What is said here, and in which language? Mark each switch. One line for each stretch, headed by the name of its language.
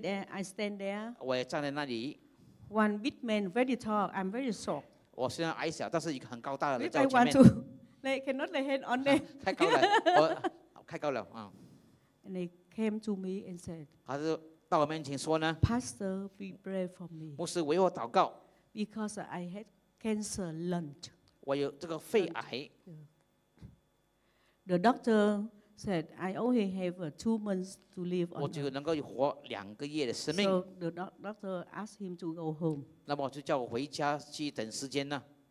English: I stand there.
Chinese: 我也站在那里。
English: One big man, very tall, I'm very short.
Chinese: 我虽然矮小, 但是一个很高大的人在我前面。
English: If I want to, they cannot lay hand on them.
Chinese: 太高了。
English: And they came to me and said,
Chinese: 他是, 到我面前说呢,
English: Pastor, be pray for me.
Chinese: 牧师为我祷告,
English: because I had cancer lung.
Chinese: 我有这个肺癌。
English: The doctor said, I only have 2 months to live.
Chinese: 我只能够活两个月的生命。
English: So the doctor asked him to go home.
Chinese: 那么我就叫我回家去等时间呢。